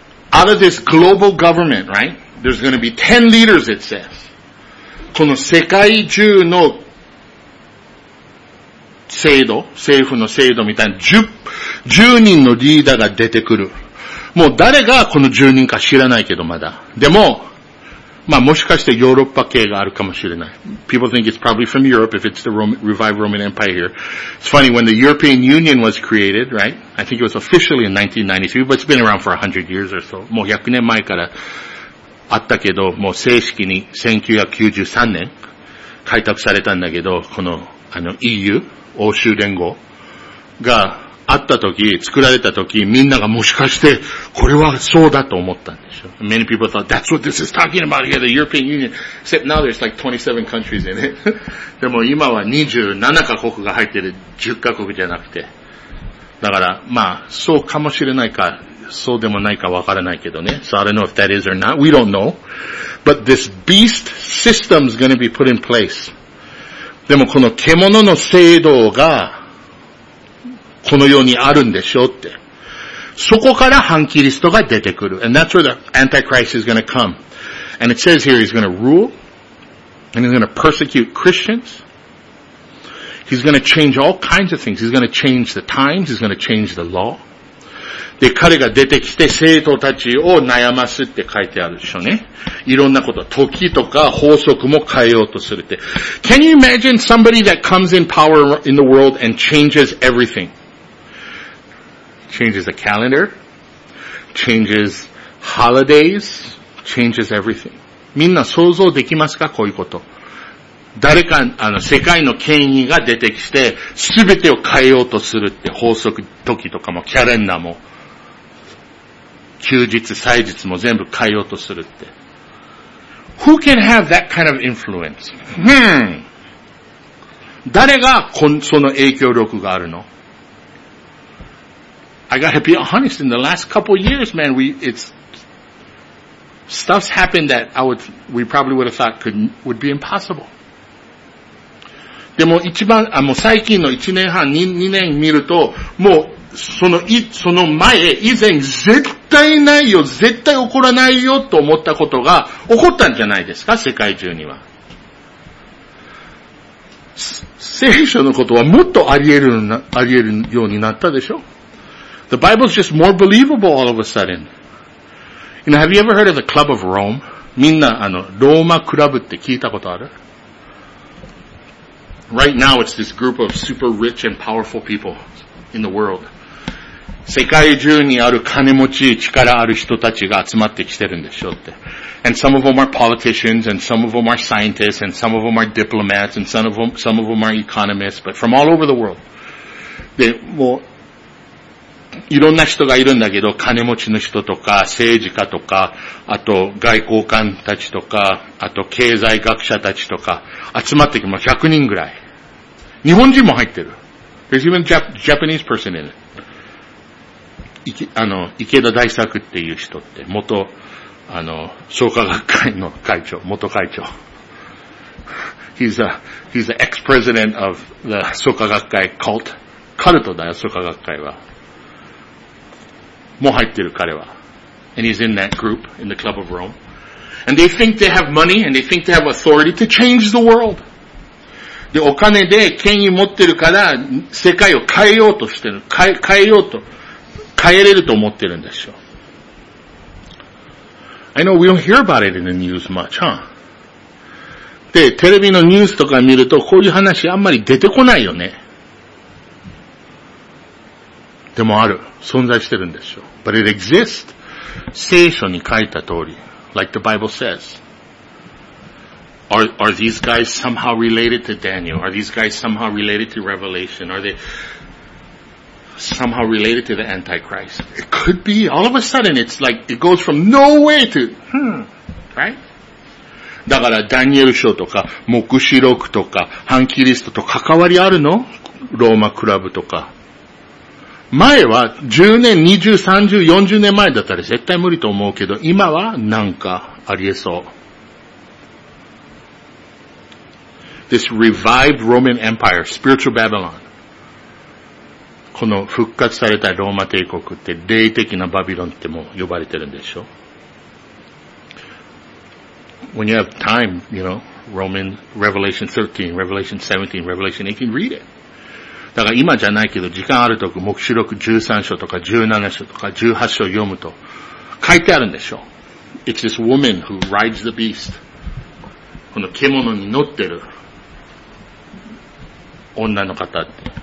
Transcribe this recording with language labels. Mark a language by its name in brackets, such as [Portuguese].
[English] Out of this global government, right? There's going to be 10 leaders, it says. [Japanese] この世界中の制度、政府の制度みたいな10人のリーダーが出てくる。もう誰がこの10人か知らないけど、まだ。でも、まあもしかしてヨーロッパ系があるかもしれない。 [English] People think it's probably from Europe if it's the revived Roman Empire here. It's funny, when the European Union was created, right? I think it was officially in 1993, but it's been around for 100 years or so. [Japanese] もう100年前からあったけど、もう正式に1993年開拓されたんだけど、この、あの EU、欧州連合があった時、作られた時、みんながもしかしてこれはそうだと思ったんでしょ。 [English] Many people thought that's what this is talking about here, the European Union. Except now there's like 27 countries in it. [Japanese] でも今は27カ国が入ってる、10カ国じゃなくて。だからまあそうかもしれないか、そうでもないかわからないけどね。 [English] So I don't know if that is or not. We don't know. But this beast system is going to be put in place. [Japanese] でもこの獣の制度がこの世にあるんでしょうって。そこから反キリストが出てくる。 [English] And that's where the Antichrist is going to come. And it says here he's going to rule. And he's going to persecute Christians. He's going to change all kinds of things. He's going to change the times. He's going to change the law. [Japanese] で、彼が出てきて生徒たちを悩ますって書いてあるでしょうね。いろんなこと、時とか法則も変えようとするって。 [English] Can you imagine somebody that comes in power in the world and changes everything? Changes the calendar, changes holidays, changes everything. [Japanese] みんな想像できますか、こういうこと。誰か、あの、世界の権威が出てきて、すべてを変えようとするって、法則時とかも、キャレンダーも、休日、祭日も全部変えようとするって。 [English] Who can have that kind of influence? [Japanese] 誰がその影響力があるの？ [English] I gotta be honest, in the last couple of years, man, stuff's happened that we probably would have thought would be impossible. [Japanese] でも一番、あ、もう最近の1年半、2年見ると、もうその前、以前、絶対ないよ、絶対起こらないよ、と思ったことが起こったんじゃないですか、世界中には。聖書のことはもっとあり得るようになったでしょ。 [English] The Bible is just more believable all of a sudden. You know, have you ever heard of the Club of Rome? [Japanese] みんな、あの、ローマクラブって聞いたことある? [English] Right now, it's this group of super rich and powerful people in the world. [Japanese] 世界中にある金持ち、力ある人たちが集まってきてるんでしょって。 [English] And some of them are politicians, and some of them are scientists, and some of them are diplomats, and some of them are economists, but from all over the world. [Japanese] で、もう、いろんな人がいるんだけど、金持ちの人とか、政治家とか、あと外交官たちとか、あと経済学者たちとか、集まってきます。 100人ぐらい。日本人も入ってる。 [English] There's even Japanese person in it. [Japanese] あの、池田大作っていう人って、元、あの、創価学会の会長、元会長。 [English] He's the ex-president of the 創価学会 cult. [Japanese] カルトだよ、創価学会は。もう入ってる彼は。 [English] And he's in that group, in the Club of Rome. And they think they have money, and they think they have authority to change the world. [Japanese] で、お金で権威持ってるから、世界を変えようとしてる。変えれると思ってるんでしょ。 [English] I know we don't hear about it in the news much, huh? [Japanese] で、テレビのニュースとか見ると、こういう話あんまり出てこないよね。でもある。存在してるんでしょう。 [English] But it exists. [Japanese] 聖書に書いた通り。 [English] Like the Bible says. Are these guys somehow related to Daniel? Are these guys somehow related to Revelation? Are they somehow related to the Antichrist? It could be. All of a sudden it's like, it goes from no way to, right? [Japanese] だから、ダニエル書とか、黙示録とか、反キリストと関わりあるの？ローマクラブとか。前は10年、20、30、40年前だったら絶対無理と思うけど、今はなんかありえそう。 [English] This revived Roman Empire, spiritual Babylon. [Japanese] この復活されたローマ帝国って霊的なバビロンっても呼ばれてるんでしょ。 [English] When you have time, you know, Roman Revelation 13, Revelation 17, Revelation 18, read it. [Japanese] だから今じゃないけど時間あるとき黙示録13章とか17章とか18章読むと書いてあるんでしょう。 [English] It's this woman who rides the beast. [Japanese] この獣に乗ってる女の方って。